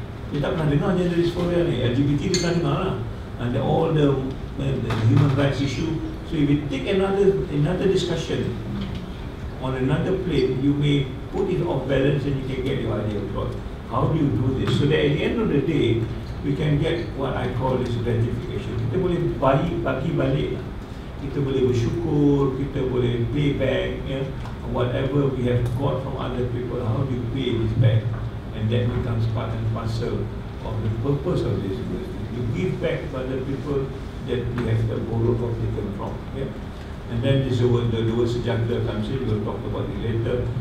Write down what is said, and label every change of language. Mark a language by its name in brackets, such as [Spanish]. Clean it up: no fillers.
[Malay] Dia tak pernah dengar gender dysphoria ni, LGBT dia tak dengar lah. [English] And all the human rights issue. So if you take another discussion on another plane, you may put it off balance and you can get your idea across. How do you do this? So that at the end of the day, we can get what I call this gratification. [Malay] Kita boleh bagi balik. Kita boleh bersyukur, kita boleh [English] pay back, [Malay] yeah? [English] Whatever we have got from other people, how do you pay this back? And that becomes part and parcel of the purpose of this university. To give back to other people that we have the borrowed or taken from. Yeah? And then this is where the word sejahtera comes in, we'll talk about it later.